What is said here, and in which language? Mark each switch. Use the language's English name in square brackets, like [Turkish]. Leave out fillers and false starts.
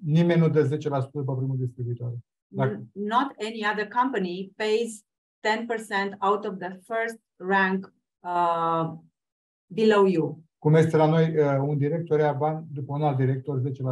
[Romanian] Nimeni nu dă 10% după primul distribuitor. [English] Not any other company pays 10% out of the first rank below you. [Romanian] Cum este la noi, un director ia bani după un alt director 10%.